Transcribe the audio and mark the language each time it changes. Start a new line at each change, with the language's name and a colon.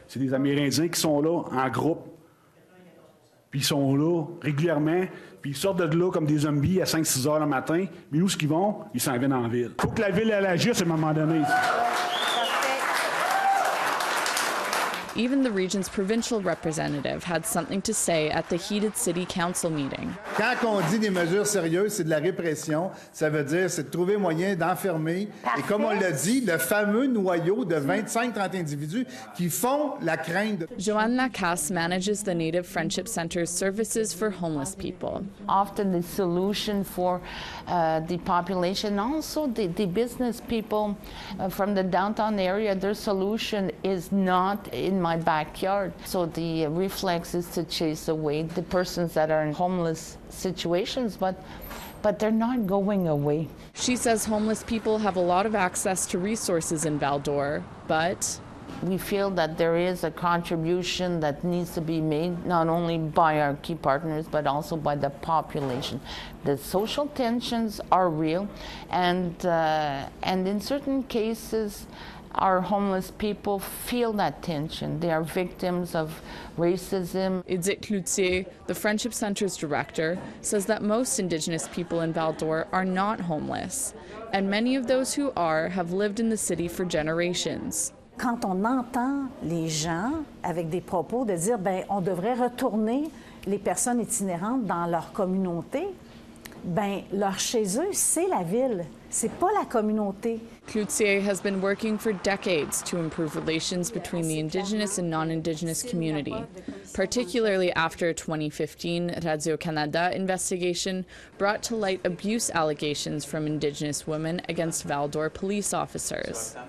French: C'est des Amérindiens qui sont là en groupe, puis ils sont là régulièrement, puis ils sortent de là comme des zombies à 5-6 heures le matin. Mais où ce qu'ils vont? Ils s'en viennent en ville. Faut que la ville elle agisse à un moment donné.
English: Even the region's provincial representative had something to say at the heated city council meeting.
French: Quand on dit des mesures sérieuses, c'est de la répression. Ça veut dire c'est de trouver moyen d'enfermer. Et comme on l'a dit, le fameux noyau de 25-30 individus qui font la crainte.
English: Joanne Lacasse manages the Native Friendship Center's services for homeless people. Often the solution for the population, also the business people from the downtown area, their solution is not in my backyard. So the reflex is to chase away the persons that are in homeless situations, but they're not going away. She says homeless people have a lot of access to resources in Val-d'Or, but we feel that there is a contribution that needs to be made, not only by our key partners, but also by the population. The social tensions are real, and in certain cases, our homeless people feel that tension. They are victims of racism. Edith Cloutier, the Friendship Center's director, says that most Indigenous people in Val-d'Or are not homeless, and many of those who are have lived in the city for generations.
French: Quand on entend les gens avec des propos de dire ben on devrait retourner les personnes itinérantes dans leur communauté, ben leur chez eux c'est la ville, c'est pas la communauté.
English: Cloutier has been working for decades to improve relations between the Indigenous and non-Indigenous community, particularly after a 2015 Radio-Canada investigation brought to light abuse allegations from Indigenous women against Val-d'Or police officers.